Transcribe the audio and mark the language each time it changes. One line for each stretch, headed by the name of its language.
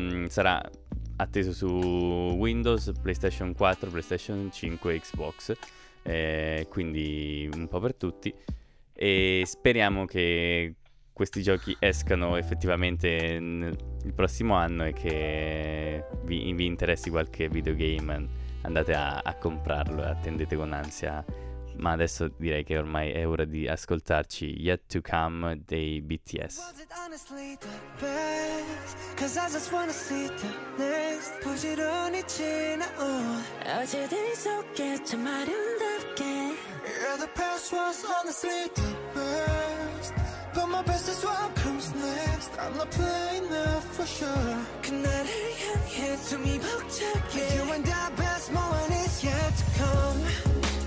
Italian: Sarà atteso su Windows, PlayStation 4, PlayStation 5, Xbox, quindi un po' per tutti, e speriamo che questi giochi escano effettivamente il prossimo anno e che vi interessi qualche videogame, andate a comprarlo e attendete con ansia. Ma adesso direi che ormai è ora di ascoltarci Yet to Come dei BTS.
English: Was it honestly the best? Cause I just wanna see the next.
Korean: 부지런히 지나 어제들이 속했지 아름답게.
English: Yeah, the past was honestly the best. But my best is what comes next. I'm not playing now for sure.
Korean: 그날을 향해 숨이 벅차게.
English: You and the best moment is yet to come.